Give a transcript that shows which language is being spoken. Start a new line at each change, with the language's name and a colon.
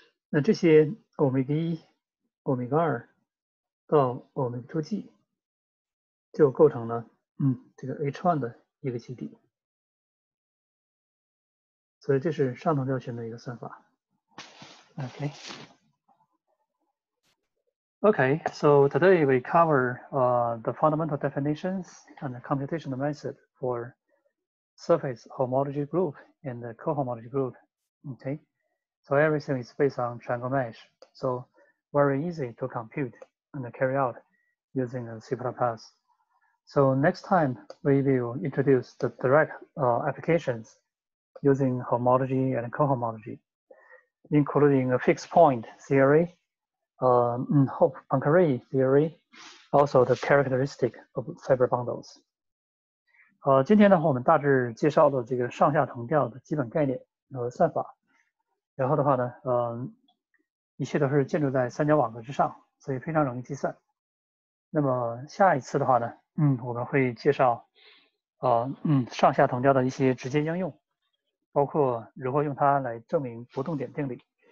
Chinese: 那这些 omega 一、omega 二到 omega 2g 就构成了这个 h1 的一个基底，所以这是上统调弦的一个算法。
English: Okay. Okay, so today we cover the fundamental definitions and the computational method for surface homology group and the cohomology group. Okay, so everything is based on triangle mesh. So very easy to compute and carry out using a C++. So next time we will introduce the direct applications using homology and cohomology, including a fixed point theory, Hopf-Poincaré theory, also the characteristic of fiber bundles.
Chinese: 今天呢，我们大致介绍了这个上下同调的基本概念和算法。然后的话呢，一切都是建筑在三角网格之上，所以非常容易计算。那么下一次的话呢，我们会介绍，上下同调的一些直接应用，包括如何用它来证明不动点定理。